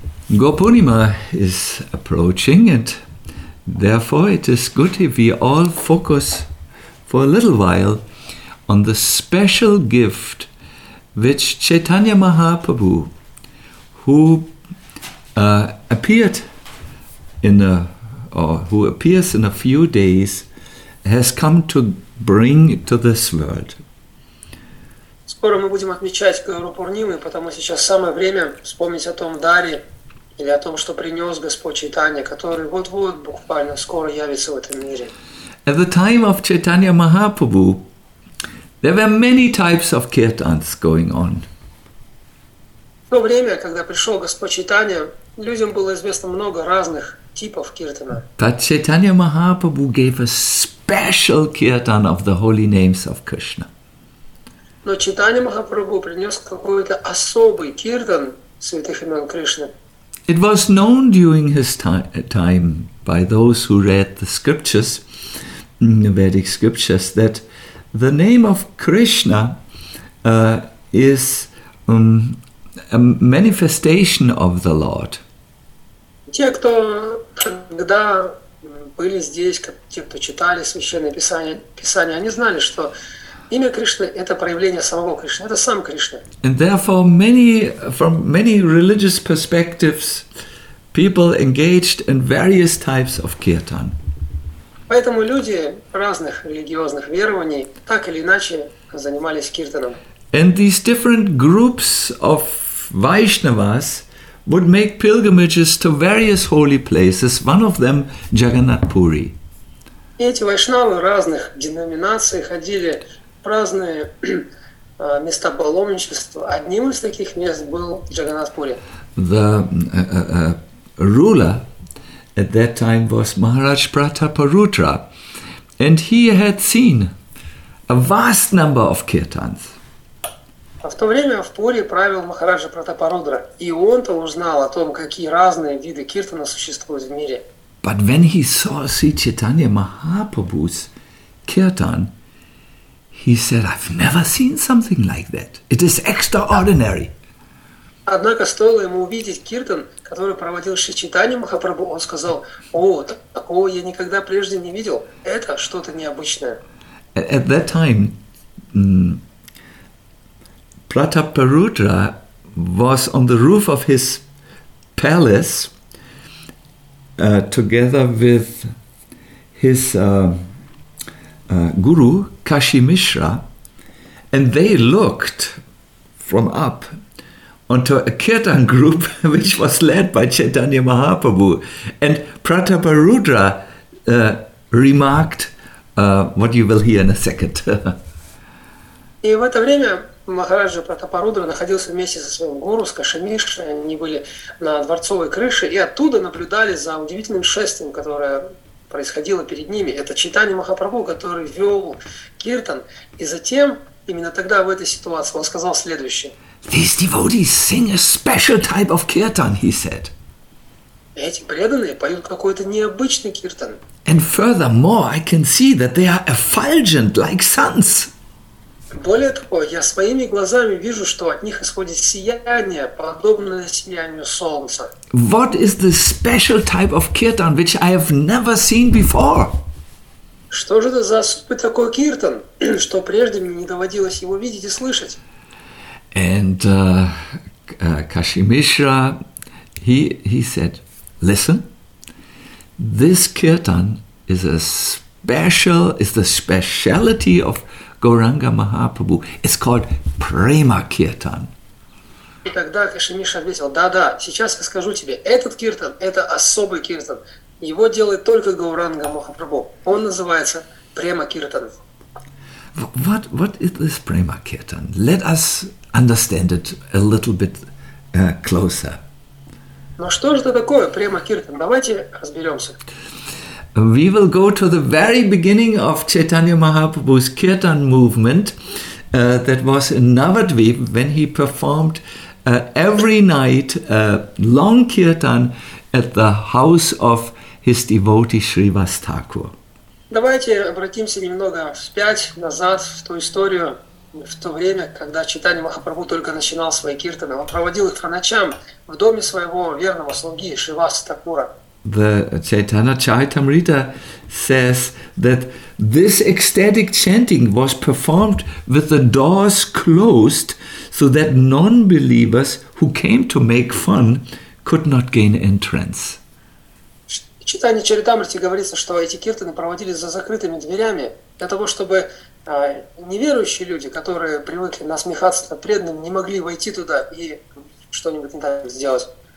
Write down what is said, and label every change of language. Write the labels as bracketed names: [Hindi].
[English] Gopurnima is approaching, and therefore it is good if we all focus for a little while on the special gift which Chaitanya Mahaprabhu, who appeared in a, or who appears in a few days, has come to bring to this world. [Russian] Скоро мы будем отмечать Гауру Пурниму, потому сейчас самое время вспомнить о том даре или о том, что принес Господь Чайтанья, который вот-вот буквально скоро явится в этом мире. [English] At the time of Chaitanya Mahaprabhu, there were many types of kirtans going on. [Russian] В то время, когда пришел Господь Чайтанья, людям было известно много разных типов киртана. [English] But Chaitanya Mahaprabhu gave a special kirtan of the holy names of Krishna. [Russian] Но Чайтанья Махапрабху принес какой-то особый киртан святых имен Кришны. [English] It was known during his time by those who read the scriptures, the Vedic scriptures, that the name of Krishna is a manifestation of the Lord. [Russian] Те, кто когда были здесь, те, кто читали священные писания, они знали, что имя Кришны – это проявление самого Кришны, это сам Кришна. [English] And therefore, many, from many religious perspectives, people engaged in various types of kirtan. [Russian] Поэтому люди разных религиозных верований так или иначе занимались киртаном. [English] And these different groups of Vaishnavas would make pilgrimages to various holy places, one of them Jagannath Puri. [Russian] И эти вайшнавы разных деноминаций ходили в разные места паломничества. Одним из таких мест был Джаганнат Пури. [English] The ruler at that time was Maharaj Prataparudra, and he had seen a vast number of kirtans. [Russian] В то время в Пури правил Махараджа Пратапарудра, и он-то узнал о том, какие разные виды киртана существуют в мире. [English] But when he saw Sri Chaitanya Mahaprabhu's kirtan, he said, I've never seen something like that. It is extraordinary. [Russian] Однако стоило ему увидеть киртан, который проводил Шри Чайтанья Махапрабху, он сказал: «О, такого я никогда прежде не видел. Это что-то необычное». [English] At that time, Prataparudra was on the roof of his palace together with his guru, Kashi Mishra, and they looked from up onto a kirtan group which was led by Chaitanya Mahaprabhu. And Prataparudra remarked what you will hear in a second. [Russian] И в это время Махараджа Пратапарудра находился вместе со своим гуру, с Кашимишрой. Они были на дворцовой крыше и оттуда наблюдали за удивительным шествием, которое происходило перед ними. Это Чайтанья Махапрабху, который вел киртан. И затем, именно тогда, в этой ситуации, он сказал следующее. [English] These devotees sing a special type of kirtan, he said. [Russian] Эти преданные поют какой-то необычный киртан. [English] And furthermore, I can see that they are effulgent like suns. [Russian] Более того, я своими глазами вижу, что от них исходит сияние, подобное сиянию солнца. [English] What is the special type of kirtan which I have never seen before? [Russian] Что же это за особый такой киртан, что прежде мне не доводилось его видеть и слышать? [English] And Kashi Mishra, he said, listen, this kirtan is the speciality of Gauranga Mahaprabhu. It's called Prema Kirtan. [Russian] И тогда Kashi Mishra ответил, да-да, сейчас я скажу тебе, этот киртан, это особый киртан. Его делает только Гауранга Махапрабху. Он называется Prema Kirtan. [English] What is this Prema Kirtan? Let us understand it a little bit closer. [Russian] Но что же это такое, Prema Kirtan? Давайте разберемся. [English] We will go to the very beginning of Chaitanya Mahaprabhu's kirtan movement that was in Navadvip when he performed every night a long kirtan at the house of his devotee Srivas Thakur. [Russian] Давайте обратимся немного вспять назад в ту историю. В то время, когда Чайтанья Махапрабху только начинал свои киртаны, он проводил их по ночам в доме своего верного слуги Шриваса Такура. [English] The Chaitanya Charitamrita says that this ecstatic chanting was performed with the doors closed so that non-believers who came to make fun could not gain entrance. [Russian] В Чайтанья Чаритамрите говорится, что эти киртаны проводились за закрытыми дверями для того, чтобы неверующие люди, которые привыкли насмехаться над преданным, не могли войти туда и что-нибудь не так сделать.